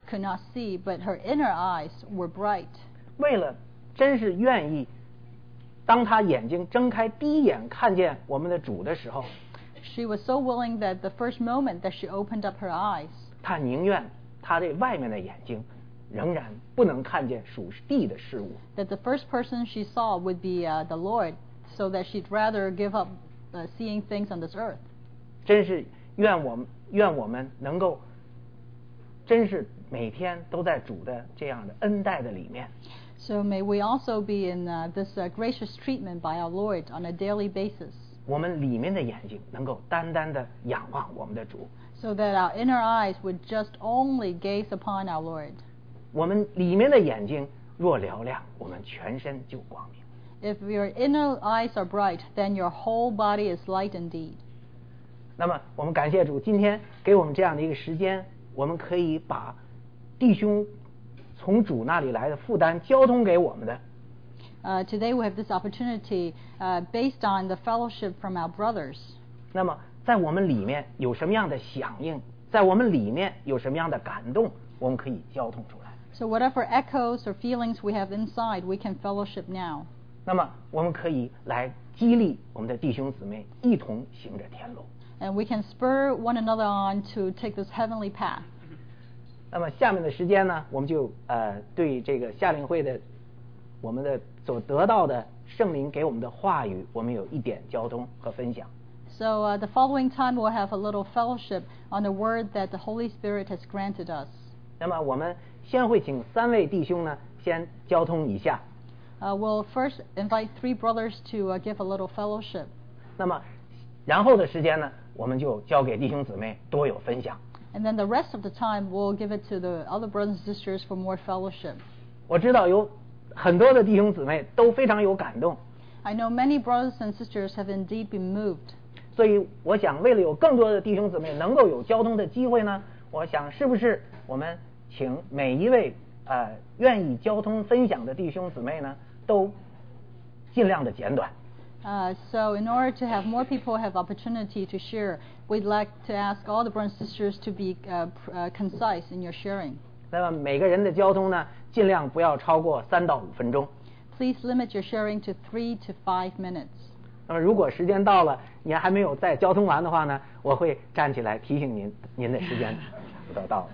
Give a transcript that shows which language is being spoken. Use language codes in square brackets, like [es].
[en] could not see, but her inner eyes were bright. [zh] 为了真是愿意，当她眼睛睁开第一眼看见我们的主的时候， [en] she was so willing that the first moment that she opened up her eyes, [zh] 她宁愿她的外面的眼睛仍然不能看见属地的事物。 [en] That the first person she saw would be the Lord, so that she'd rather give up seeing things on this earth. [zh] 真是愿我们能够，真是每天都在主的这样的恩待的里面。 [en] So may we also be in this gracious treatment by our Lord on a daily basis. [zh] 我们里面的眼睛能够单单的仰望我们的主。 [en] So that our inner eyes would just only gaze upon our Lord. [zh] 我们里面的眼睛若嘹亮，我们全身就光明。 [en] If your inner eyes are bright, then your whole body is light indeed. [zh] 那么我们感谢主，今天给我们这样的一个时间，我们可以把弟兄从主那里来的负担交通给我们的。 [en] Today we have this opportunity, based on the fellowship from our brothers. [zh] 那么在我们里面有什么样的响应，在我们里面有什么样的感动，我们可以交通出来。 [en] So whatever echoes or feelings we have inside, we can fellowship now. [zh] 那么我们可以来激励我们的弟兄姊妹一同行着天路。 [en] And we can spur one another on to take this heavenly path. [zh] 那么下面的时间呢，我们就对这个夏令会的我们的所得到的圣灵给我们的话语，我们有一点交通和分享。 [en] So the following time we'll have a little fellowship on the word that the Holy Spirit has granted us. [zh] 那么我们先会请三位弟兄呢先交通一下。 [en] We'll first invite three brothers to give a little fellowship. [zh] 那么然后的时间呢，我们就交给弟兄姊妹多有分享。 [en] And then the rest of the time, we'll give it to the other brothers and sisters for more fellowship. [zh] 我知道有很多的弟兄姊妹都非常有感动。 [en] I know many brothers and sisters have indeed been moved. [zh] 所以我想为了有更多的弟兄姊妹能够有交通的机会呢，我想是不是我们请每一位愿意交通分享的弟兄姊妹呢，都尽量的简短。 [en] So in order to have more people have opportunity to share, we'd like to ask all the brothers and sisters to be concise in your sharing. [zh] 那么每个人的交通呢，尽量不要超过三到五分钟。 [en] Please limit your sharing to 3 to 5 minutes. [zh] 那么如果时间到了，您还没有再交通完的话呢，我会站起来提醒您的时间不到了。